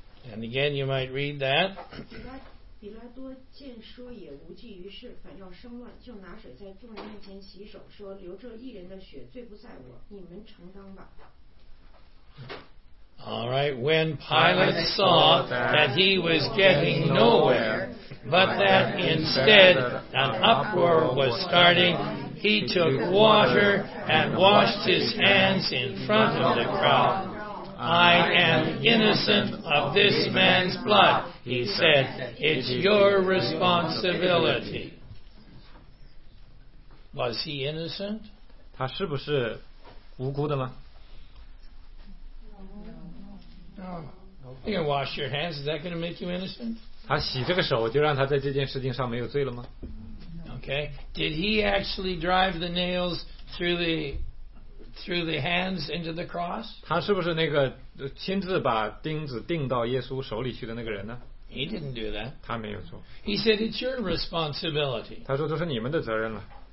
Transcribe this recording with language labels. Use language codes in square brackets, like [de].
[en] And again, you might read that. [zh] 比拉多见说也无济于事，反要生乱，就拿水在众人面前洗手，说流这一人的血罪不在我，你们承当吧。 [en] All right, when Pilate saw that he was getting nowhere, but that instead an uproar was starting, he took water and washed his hands in front of the crowd. I am innocent of this man's blood, he said. It's your responsibility. Was he innocent? [zh] 他是不是无辜的吗？ [en] Oh, you can wash your hands. Is that going to make you innocent? [zh] 他洗这个手，就让他在这件事情上没有罪了吗？ [en] Okay. Did he actually drive the nails through the hands into the cross? [zh] 他是不是那个亲自把钉子钉到耶稣手里去的那个人呢？ [en] He didn't do that. [zh] 他没有做。 [en] He said it's your responsibility. [zh] 他说都是你们的责任了。